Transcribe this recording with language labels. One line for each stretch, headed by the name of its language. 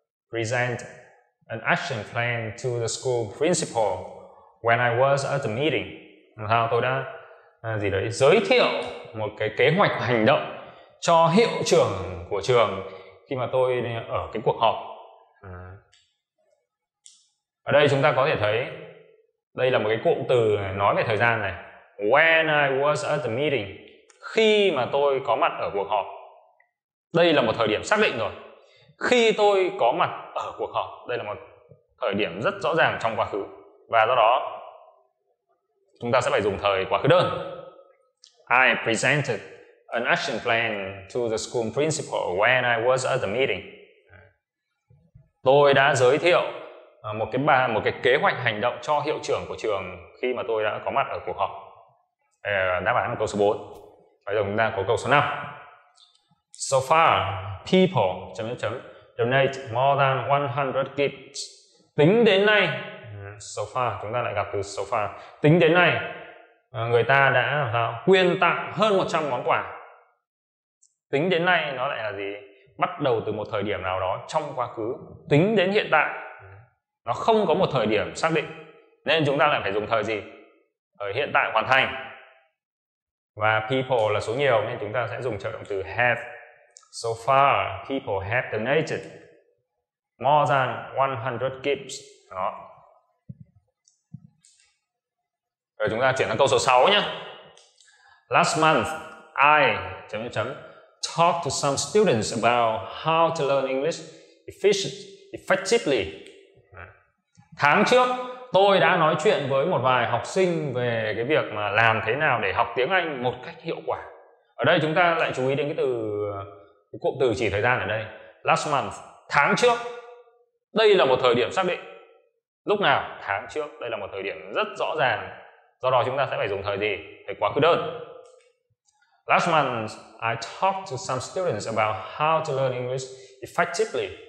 English: present an action plan to the school principal when I was at the meeting.
Vietnamese: Tôi đã giới thiệu một cái kế hoạch hành động cho hiệu trưởng của trường khi mà tôi ở cái cuộc họp. Ở đây chúng ta có thể thấy đây là một cái cụm từ nói về thời gian này.
English: When I was at the meeting,
Vietnamese: khi mà tôi có mặt ở cuộc họp, đây là một thời điểm xác định rồi. Khi tôi có mặt ở cuộc họp, đây là một thời điểm rất rõ ràng trong quá khứ. Và do đó chúng ta sẽ phải dùng thời quá khứ đơn.
English: I presented an action plan to the school principal when I was at the meeting.
Vietnamese: Tôi đã giới thiệu một cái kế hoạch hành động cho hiệu trưởng của trường khi mà tôi đã có mặt ở cuộc họp. Đáp án là câu số 4. Bây giờ chúng ta có câu số 5.
English: So far, people... donate more than 100 gifts.
Vietnamese: Tính đến nay, so far, chúng ta lại gặp từ so far. Tính đến nay, người ta đã quyên tặng hơn 100 món quà. Tính đến nay nó lại là gì? Bắt đầu từ một thời điểm nào đó trong quá khứ. Tính đến hiện tại, nó không có một thời điểm xác định. Nên chúng ta lại phải dùng thời gì? Ở hiện tại hoàn thành. Và people là số nhiều nên chúng ta sẽ dùng trợ động từ have.
English: So far, people have donated more than 100 gifts.
Vietnamese: Đó. Rồi chúng ta chuyển sang câu số 6 nhé.
English: Last month, I talked to some students about how to learn English effectively.
Vietnamese: Tháng trước, tôi đã nói chuyện với một vài học sinh về cái việc mà làm thế nào để học tiếng Anh một cách hiệu quả. Ở đây chúng ta lại chú ý đến cụm từ chỉ thời gian ở đây. Last month, tháng trước. Đây là một thời điểm xác định. Lúc nào? Tháng trước. Đây là một thời điểm rất rõ ràng. Do đó chúng ta sẽ phải dùng thời gì? Thời quá khứ đơn.
English: Last month, I talked to some students about how to learn English effectively.